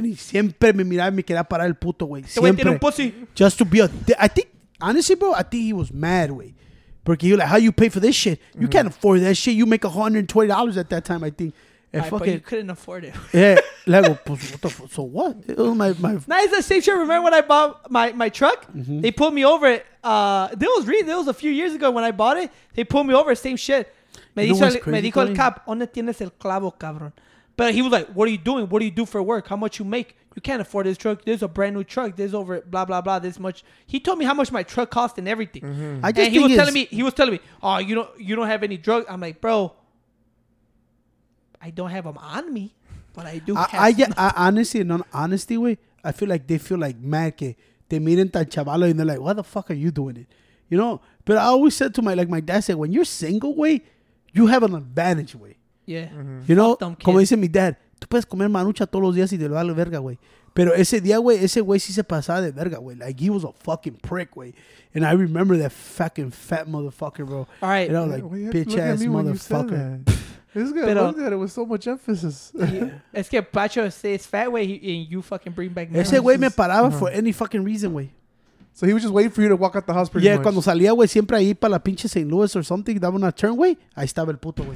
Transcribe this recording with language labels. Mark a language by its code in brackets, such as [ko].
[es] Y siempre me miraba y me quería parar el puto, güey. Siempre. Este güey tiene un pussy. [en] Just to be a... I think, honestly, bro, he was mad, güey. Porque he was like, how you pay for this shit? You can't afford that shit. You make $120 at that time, I think. But you couldn't afford it. Yeah. Luego, pues, what the fuck? So what? It was my... Now, it's the same shit. Remember when I bought my truck? Mm-hmm. They pulled me over it. It was a few years ago when I bought it. They pulled me over. Same shit. [es] Me dijo el cap, ¿dónde tienes el clavo, cabrón? [en] But he was like, what are you doing? What do you do for work? How much you make? You can't afford this truck. This is a brand new truck. This is over, blah, blah, blah, this much. He told me how much my truck cost and everything. Mm-hmm. I just and he was telling me, oh, you don't have any drugs? I'm like, bro, I don't have them on me, but I do have them. Honestly, I feel like they feel like mad [es] que te miren tan chavalo [en] and they're like, what the fuck are you doing it? You know? But I always said to my dad said, when you're single, way, you have an advantage, güey. Yeah. [es] Mm-hmm. [en] You know, [es] como dice mi dad, tú puedes comer manucha todos los días y te lo vale verga, güey. Pero ese día, güey, ese güey sí se pasaba de verga, güey. [en] Like, he was a fucking prick, [es] güey. [en] And I remember that fucking fat motherfucker, bro. All right. And I was like, bitch ass motherfucker. This guy looked at it with so much emphasis. [es] Es que [en] Pacho says fat, güey, and you fucking bring back [es] memories. Ese güey me paraba [en] for any fucking reason, [es] güey. [en] So he was just waiting for you to walk out the house pretty yeah, much. [es] Cuando salía, güey, siempre ahí para la pinche St. Louis or something, daba una turn, güey, ahí estaba el puto, güey.